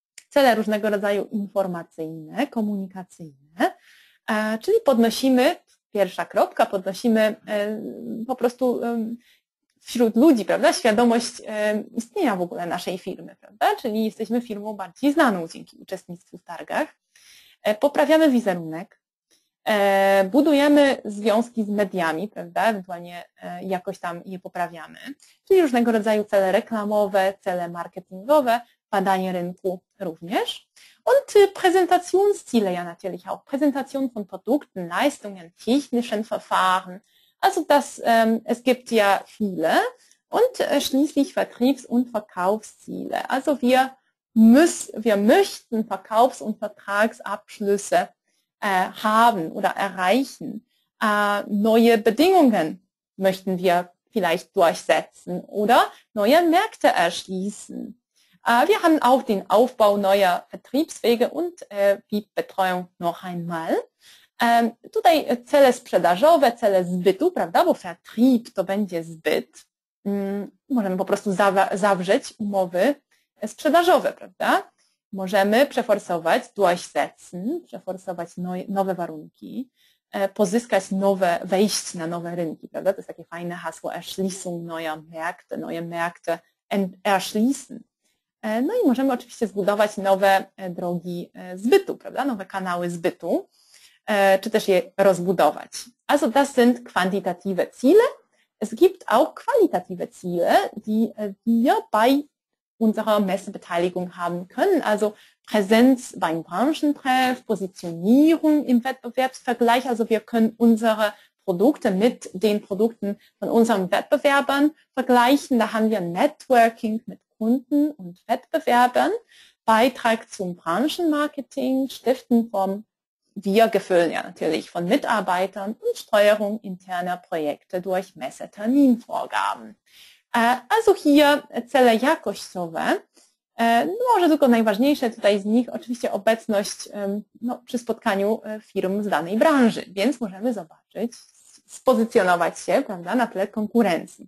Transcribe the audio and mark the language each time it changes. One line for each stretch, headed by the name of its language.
Polish: Cele różnego rodzaju informacyjne, komunikacyjne, czyli podnosimy, pierwsza kropka, podnosimy po prostu wśród ludzi, prawda, świadomość istnienia w ogóle naszej firmy, prawda, czyli jesteśmy firmą bardziej znaną dzięki uczestnictwu w targach. Poprawiamy wizerunek. Budujemy związki z mediami, prawda? Ewentualnie jakoś tam je poprawiamy, czyli różnego rodzaju cele reklamowe, cele marketingowe, badanie rynku również.
German: Und Präsentationsziele ja natürlich auch, Präsentation von Produkten, Leistungen, technischen Verfahren, also das, es gibt ja viele. Und schließlich Vertriebs- und Verkaufsziele, also wir möchten Verkaufs- und Vertragsabschlüsse haben oder erreichen. Neue Bedingungen möchten wir vielleicht durchsetzen oder neue Märkte erschließen. Wir haben auch den Aufbau neuer Vertriebswege und VIP-Betreuung noch einmal.
Polish: Tutaj cele sprzedażowe, cele zbytu, prawda? Bo Vertrieb to będzie zbyt. Możemy po prostu zawrzeć umowy sprzedażowe, prawda? Możemy przeforsować, durchsetzen, przeforsować nowe warunki, pozyskać nowe, wejść na nowe rynki, prawda? To jest takie fajne hasło,
German: erschließung neue Märkte erschließen.
Polish: No i możemy oczywiście zbudować nowe drogi zbytu, prawda? Nowe kanały zbytu, czy też je rozbudować.
German: Also das sind quantitative Ziele. Es gibt auch qualitative Ziele, die wir bei unserer Messebeteiligung haben können, also Präsenz beim Branchentreff, Positionierung im Wettbewerbsvergleich, also wir können unsere Produkte mit den Produkten von unseren Wettbewerbern vergleichen, da haben wir Networking mit Kunden und Wettbewerbern, Beitrag zum Branchenmarketing, Stiften vom wir gefüllen ja natürlich von Mitarbeitern und Steuerung interner Projekte durch Messeterminvorgaben.
Polish: Also hier cele jakościowe, może tylko najważniejsze tutaj z nich, oczywiście obecność no, przy spotkaniu firm z danej branży, więc możemy zobaczyć, spozycjonować się, prawda, na tle konkurencji.